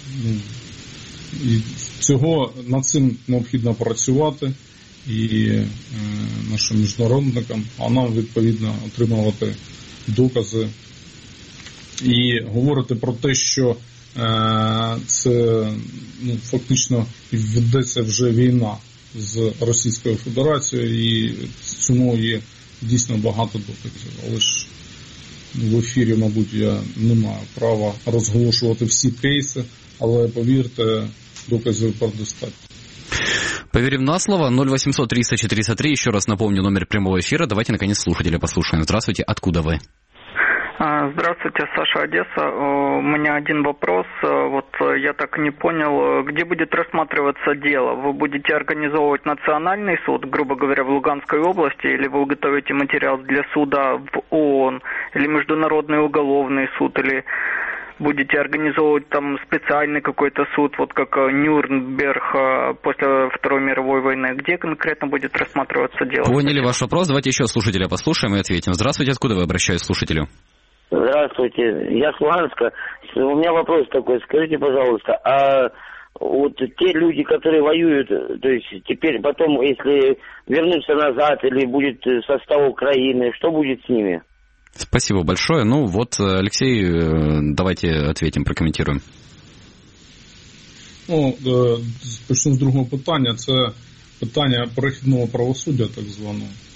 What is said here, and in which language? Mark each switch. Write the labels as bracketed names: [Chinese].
[Ukrainian] Ну, і цього, над цим необхідно працювати і нашим міжнародникам, а нам відповідно отримувати докази і говорити про те, що це ну, фактично ведеться вже війна з Російською Федерацією і цьому є дійсно багато доказів. Але ж в ефірі, мабуть, я не маю права розголошувати всі кейси, але повірте, доказів достатньо. [Russian] Поверим на слово. 0800-300-403. Еще раз напомню номер прямого эфира. Давайте, наконец, слушателя послушаем. Здравствуйте. Откуда вы? Здравствуйте, Саша, Одесса. У меня один вопрос. Вот я так не понял, где будет рассматриваться дело? Вы будете организовывать национальный суд, грубо говоря, в Луганской области, или вы готовите материал для суда в ООН, или Международный уголовный суд, или будете организовывать там специальный какой-то суд, вот как Нюрнберг после Второй мировой войны. Где конкретно будет рассматриваться дело? Поняли ваш вопрос. Давайте еще слушателя послушаем и ответим. Здравствуйте. Откуда вы обращаетесь к слушателю? Здравствуйте. Я с Луганска. У меня вопрос такой. Скажите, пожалуйста, а вот те люди, которые воюют, то есть теперь потом, если вернутся назад или будет состав Украины, что будет с ними? Спасибо большое. Ну вот, Алексей, давайте ответим, прокомментируем. [Ukrainian] Ну, почнем с другого питання. Це питання перехідного правосуддя, так званого.